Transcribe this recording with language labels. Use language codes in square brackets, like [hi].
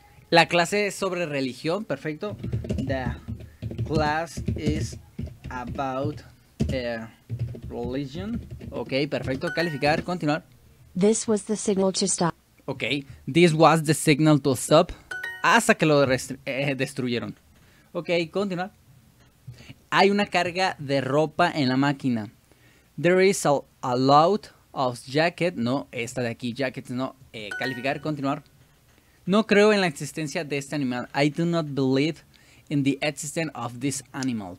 [es] La clase es sobre religión, perfecto. [en] The class is about religion. [es] Ok, perfecto. Calificar, continuar. [en] This was the signal to stop. Ok, this was the signal to stop. [es] Hasta que lo destruyeron. Ok, continuar. Hay una carga de ropa en la máquina. [en] There is a load of jacket. [es] No, esta de aquí, jacket, no. Calificar, continuar. No creo en la existencia de este animal. [en] I do not believe in the existence of this animal.